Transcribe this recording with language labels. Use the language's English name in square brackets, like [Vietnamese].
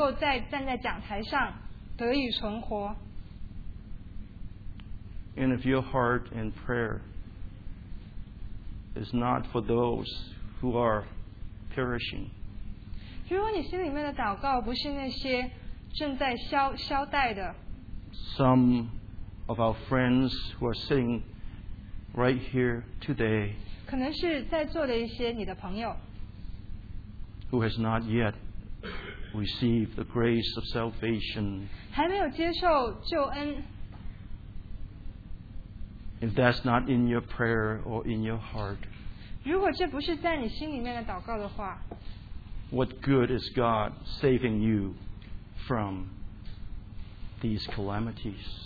[Chinese] 又或者像我之前在台湾一样逃过了台风的一劫，你像神这么多次的保守我，让我能够再站在讲台上得以存活。 [English] And if your heart and prayer is not for those who are perishing. [Chinese] 如果你心里面的祷告不是那些正在消代的, [English] some of our friends who are sitting right here today, [Chinese] 可能是在座的一些你的朋友, [English] who has not yet received the grace of salvation, [Chinese] 还没有接受救恩, [English] if that's not in your prayer or in your heart, [Chinese] 如果这不是在你心里面的祷告的话, [English] what good is God saving you from these calamities?